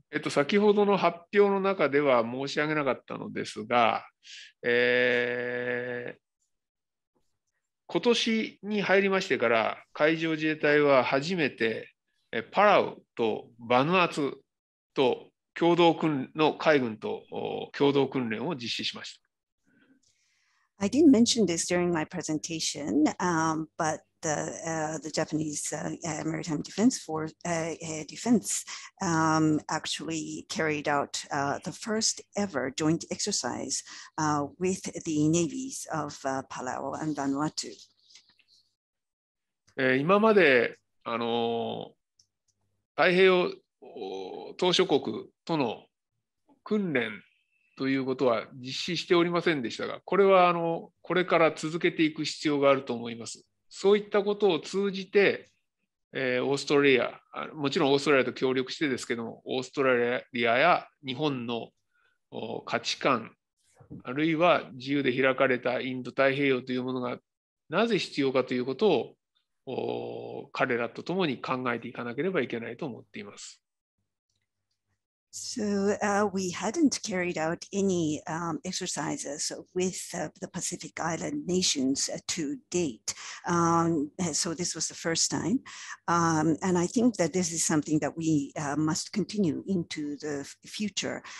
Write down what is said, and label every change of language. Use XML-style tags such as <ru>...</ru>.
<ja>先ほどの発表の中では申し上げなかったのですが、今年に入りましてから海上自衛隊は初めてパラウとバヌアツと共同訓の海軍と共同訓練を実施しました。</ja> <en>I didn't mention this during my presentation, but the Japanese Maritime Defense Force actually carried out the first ever joint exercise with the navies of Palau and Vanuatu.</en> <ja>今まで太平洋島諸国との訓練ということは実施しておりませんでしたが、これはこれから続けていく必要があると思います。そういったことを通じて、オーストラリア、もちろんオーストラリアと協力してですけども、オーストラリアや日本の価値観、あるいは自由で開かれたインド太平洋というものがなぜ必要かということを彼らと共に考えていかなければいけないと思っています。</ja> <en>So we hadn't carried out any exercises with the Pacific Island nations to date. So this was the first time. And I think that this is something that we must continue into the future.</en>